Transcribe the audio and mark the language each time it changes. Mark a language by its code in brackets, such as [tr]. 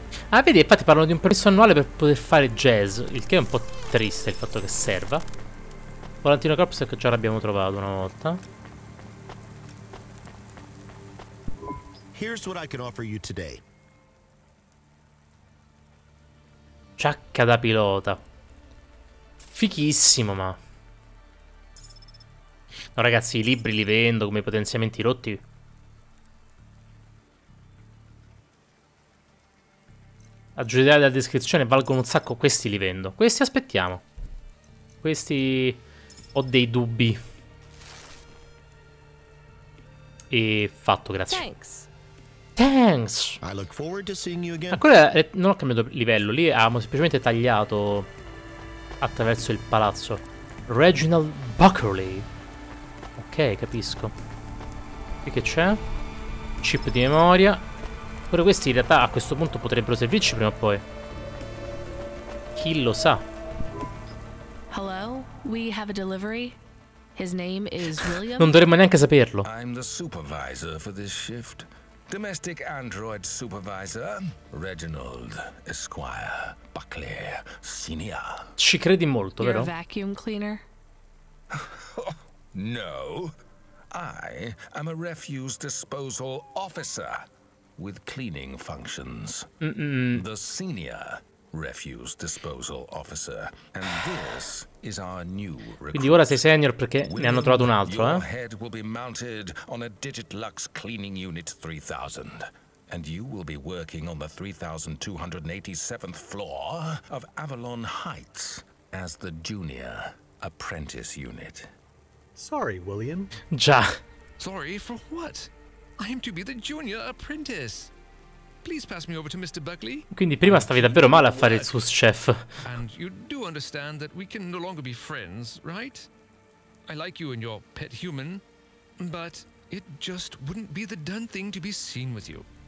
[it] Ah, vedi, infatti parlano di un permesso annuale per poter fare jazz, il che è un po' triste il fatto che serva. Volantino corpse che già l'abbiamo trovato una volta. [en] Here's what I can offer you today. [it] Ciacca da pilota. Fichissimo, ma... no, ragazzi, i libri li vendo come potenziamenti rotti. A giudicare dalla descrizione valgono un sacco, questi li vendo. Questi aspettiamo. Questi... ho dei dubbi. E fatto, grazie. [en] Thanks. Thanks. I look forward to seeing you again. [it] Ma quello è, non ho cambiato livello. Lì abbiamo semplicemente tagliato attraverso il palazzo. Reginald Buckley. Ok, capisco. Qui che c'è? Chip di memoria. Pure questi in realtà a questo punto potrebbero servirci prima o poi. Chi lo sa? [en] Hello, we have a delivery. His name is William. [it] Non dovremmo neanche saperlo. [en] I'm the supervisor for this shift. Domestic Android Supervisor, Reginald Esquire Buckley Senior. [it] Ci credi molto, vero? [en] You're a vacuum cleaner? No, I am a refuse disposal officer with cleaning functions. Mm-mm. The senior refuse disposal officer. And this is our new recruit. [it] Quindi ora sei senior perché ne hanno trovato un altro, eh? [en] Your head will be mounted on a Digitlux cleaning unit 3000. And you will be working on the 3287th floor of Avalon Heights as the junior apprentice unit. Sorry, William. [it] Già. [en] Sorry for what? I am to be the junior apprentice. Please pass me over to Mr. Buckley. [it] Quindi prima stavi davvero male a fare il sous chef. [en] And you do understand that we can no longer be friends, right? I like you and your pet human, but it just wouldn't be the done thing to be seen with you.